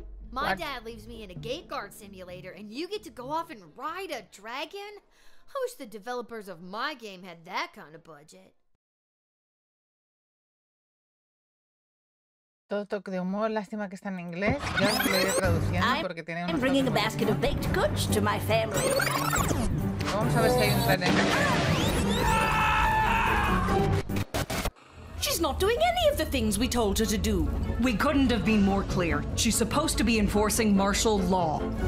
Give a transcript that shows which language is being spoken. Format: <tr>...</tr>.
<en>My dad leaves me in a gate guard simulator, and you get to go off and ride a dragon? I wish the developers of my game had that kind of budget.</en> <es>Todo toque de humor, lástima que está en inglés. Yo lo iré traduciendo porque tiene un.</es> <en>I'm bringing a basket of baked goods to my family.</en> <es>Vamos a ver si hay un planeta.</es> <en>She's not doing any of the things we told her to do. We couldn't have been more clear. She's supposed to be enforcing martial law.</en>